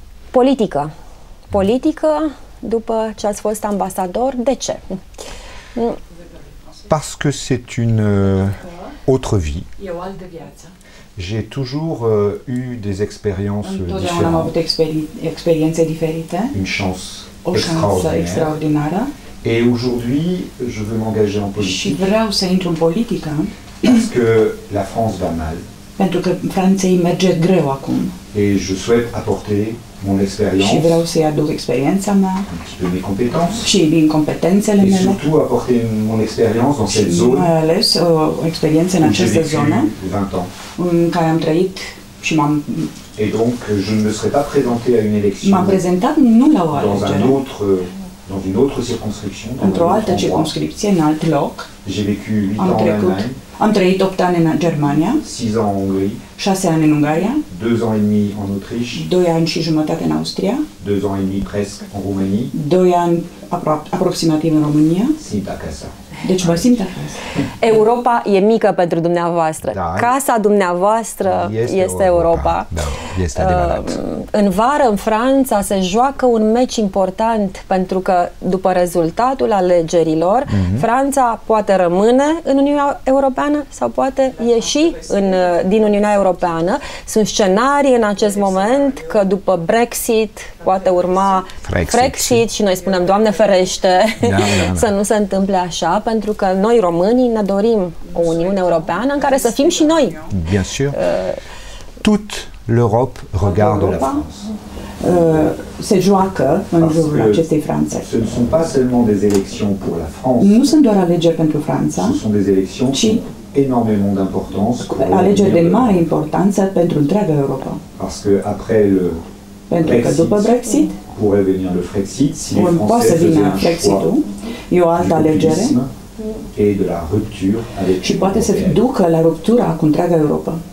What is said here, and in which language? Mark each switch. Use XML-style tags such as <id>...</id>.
<ro>Politică. Politică după ce ați fost ambasador. De ce?</ro> <fr>Parce que c'est une autre vie.</fr> <ro>E o altă viață.</ro> <fr>J'ai toujours eu des expériences différentes.</fr> <ro>Am avut experiențe diferite.</ro> <fr>Une chance.</fr> <ro>O chance extraordinară.</ro> <fr>Et aujourd'hui, je veux m'engager en politique.</fr> <ro>Și vreau să intru în politică.</ro> <fr>Parce que la France va mal.</fr> <ro>Pentru că Franței merge greu acum.</ro> <fr>Et je souhaite apporter mon expérience.</fr> <ro>Și vreau să-i aduc experiența mea.</ro> <fr>Un petit peu mes compétences.</fr> <ro>Și din competențele</ro> <fr>et</fr> <ro>mele.</ro> <fr>Et surtout apporter mon expérience dans cette zone.</fr> <ro>Mai ales o experiență în această zonă.</ro> <fr>20 ans.</fr> <ro>În care am trăit și m-am...</ro> <fr>Et donc, je ne me serais pas présenté à une élection.</fr> <ro>M-am prezentat nu la o alegere.</ro> <fr>Dans une autre circonscription.</fr> <ro>Într-o altă circonscripție, în alt loc.</ro> <fr>J'ai vécu 8 ans en Allemagne.</fr> <ro>Am trăit 8 ani în Germania.</ro> <fr>6 ans en Hongrie.</fr> <ro>6 ani în Ungaria.</ro> <fr>2 ans et demi en Autriche.</fr> <ro>2 ani și jumătate în Austria.</ro> <fr>2 ans et demi presque en Roumanie.</fr> <ro>2 ani aproximativ în România. Simt acasă. Deci mă simt acasă. Europa e mică pentru dumneavoastră. Da. Casa dumneavoastră este Europa. Da, este adevărat. În vară, în Franța, se joacă un meci important pentru că, după rezultatul alegerilor, Franța poate rămâne în Uniunea Europeană sau poate ieși din Uniunea Europeană. Sunt scenarii în acest moment că după Brexit poate urma Frexit și noi spunem, Doamne ferește, să nu se întâmple așa, pentru că noi românii ne dorim o Uniune Europeană în care să fim și noi.</ro> <fr>Bien sûr. Tout l'Europe regarde la France.</fr> <ro>Se joacă în jurul acestei Franțe.</ro> <fr>Ce ne sont pas seulement des élections pour la France.</fr> <ro>Nu sunt doar alegeri pentru Franța.</ro> <fr>Ce sont des élections qui ont énormément d'importance.</fr> <ro>Alegeri de mare importanță pentru întreaga Europa.</ro> <fr>Parce que après le</fr> <ro>pentru că după Brexit</ro> <fr>pourrait venir le Frexit si les Français font un choix.</fr> <ro>E o altă alegere.</ro> <fr>Et de la rupture avec</fr> <ro>și poate să ducă la ruptura cu întreaga Europa.</ro>